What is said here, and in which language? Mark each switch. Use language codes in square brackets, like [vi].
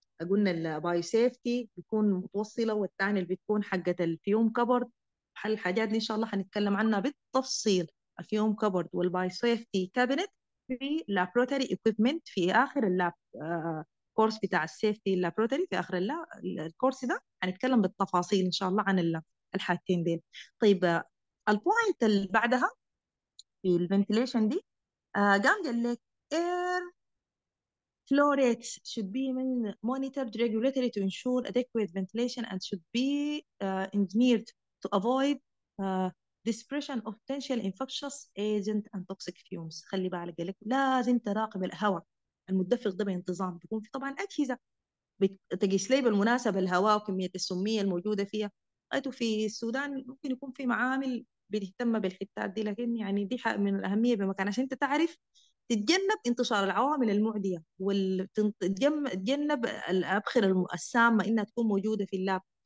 [ar] قلنا البايو سيفتي بتكون متوصله، والثانيه اللي بتكون حقه الفيوم كبرد، حل الحاجات دي ان شاء الله هنتكلم عنها بالتفصيل، الفيوم كبرد والبايو سيفتي كابينيت في لابروتري اكويبمنت في اخر اللاب كورس بتاع السيفتي لابروتري في اخر اللاب الكورس ده، هنتكلم بالتفاصيل ان شاء الله عن الحاجتين دي. طيب البوينت اللي بعدها في الفنتليشن دي قام قال لك [en] air flow rates should be monitored regularly to ensure adequate ventilation and should be engineered to avoid dispersion of potential infectious agent and toxic fumes. [ar] خلي بالك قال لك لازم تراقب الهواء المدفق ده بانتظام، بيكون في طبعا اجهزه بتقيس ليه بالمناسبه الهواء وكميه السميه الموجوده فيها. قلت في السودان ممكن يكون في معامل بيهتم بالحتات دي، لكن يعني دي حق من الأهمية بمكان عشان انت تعرف تتجنب انتشار العوامل المعدية وتتجنب الأبخر السامة إنها تكون موجودة في اللاب.